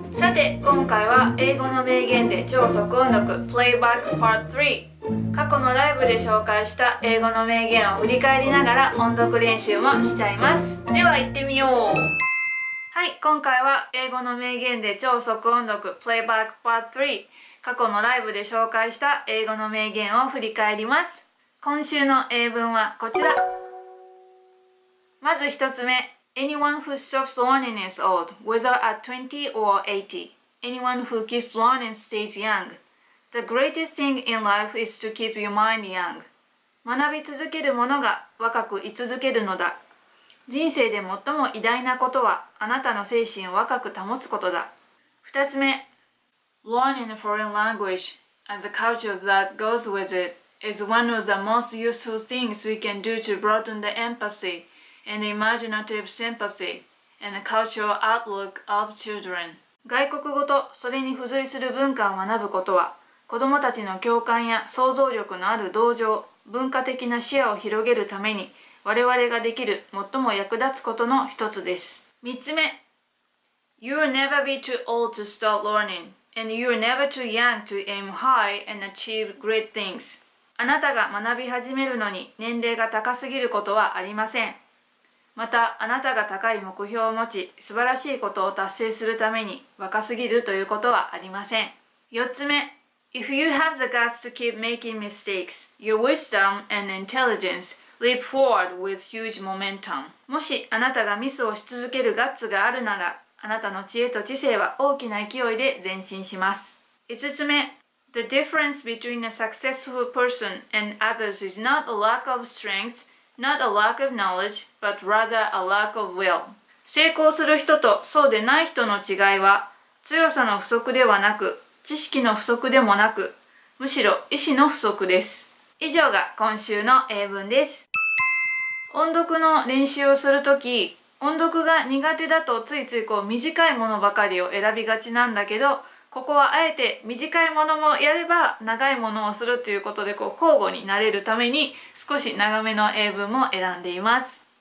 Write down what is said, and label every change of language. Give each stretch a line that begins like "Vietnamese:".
Japanese: さて今回は英語の名言で超速音読プレイバックパート3、過去のライブで紹介した英語の名言を振り返りながら音読練習もしちゃいます。では行ってみよう。はい、今回は英語の名言で超速音読プレイバックパート3、過去のライブで紹介した英語の名言を振り返ります。今週の英文はこちら。まず一つ目、
English: Anyone who stops learning is old, whether at 20 or 80. Anyone who keeps learning stays young. The greatest thing in life is to keep your mind young.
Japanese: 学び続ける者が若く居続けるのだ。人生で最も偉大なことは、あなたの精神を若く保つことだ。二つ目、
English: Learning a foreign language and the culture that goes with it is one of the most useful things we can do to broaden the empathy. And imaginative sympathy and cultural outlook of children.
Japanese: 外国語とそれに付随する文化を学ぶことは、子どもたちの共感や想像力のある同情、文化的な視野を広げるために我々ができる最も役立つことの一つです。 3つ目、
English: You'll never be too old to start learning, and you'll never too young to aim high and achieve great things.
Japanese: あなたが学び始めるのに年齢が高すぎることはありません。またあなたが高い目標を持ち素晴らしいことを達成するために若すぎるということはありません。 4つ目、
English: If you have the guts to keep making mistakes, your wisdom and intelligence leap forward with huge momentum.
Japanese: もしあなたがミスをし続けるガッツがあるなら、あなたの知恵と知性は大きな勢いで前進します。 5つ目、
English: The difference between a successful person and others is not a lack of strengthNot a lack of knowledge, but rather a lack of will.
Japanese: 成功する人とそうでない人の違いは、強さの不足ではなく、知識の不足でもなく、むしろ意志の不足です。以上が今週の英文です。音読の練習をするとき、音読が苦手だとついついこう短いものばかりを選びがちなんだけど、ここはあえて短いものもやれば長いものをするということで、こう交互になれるために少し長めの英文も選んでいます。